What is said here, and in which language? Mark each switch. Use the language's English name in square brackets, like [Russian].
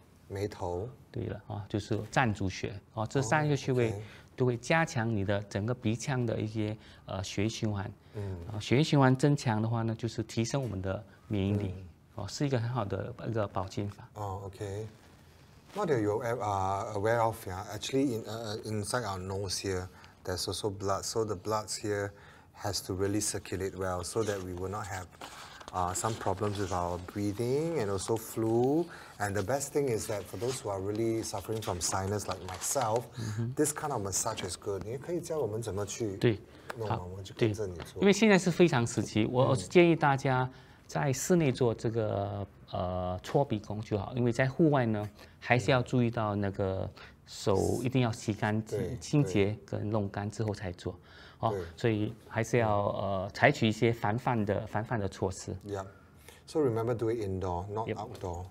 [Chinese] 眉头。对了就是湛竹穴这三个穴位都会加强你的整个鼻腔的一些血液循环。血液循环增强的话呢，就是提升我们的免疫力是一个很好的一个保健法。 [English] What are you aware of? Actually, inside our nose here, there's also blood. So the blood here has to really circulate well so that we will not have some problems with our breathing and also flu. And the best thing is that for those who are really suffering from sinus like myself, this kind of massage is good. [Chinese] 你可以教我们怎么去弄吗？对，我就跟着你做。因为现在是非常时期，我建议大家在室内做这个搓鼻弓就好，因为在户外呢，还是要注意到那个手一定要洗干净、清洁跟弄干之后才做。所以还是要采取一些防范的措施。 [English] Yeah, so remember do it indoor, not outdoor.